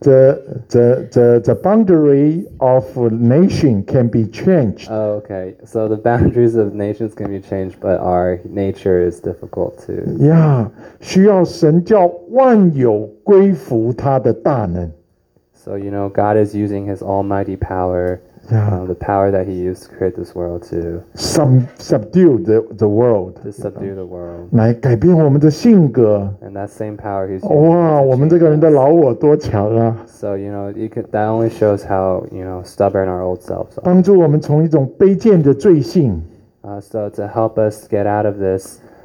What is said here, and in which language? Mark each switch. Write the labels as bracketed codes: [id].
[en] The boundary of nation can be changed. Okay, so the boundaries of nations can be changed, but our nature is difficult to. [zh] Yeah, 需要神叫万有归服他的大能。 [en] So, you know, God is using his almighty power, yeah. The power that he used to create this world to subdue the world. To subdue the world. [zh] 来改变我们的性格。 [en] And that same power he's using. [zh] 哇，我们这个人的老我多强啊。 [en] So, you know, that only shows how, you know, stubborn our old selves are. [zh] 帮助我们从一种卑贱的罪性。 [en] So to help us get out of this,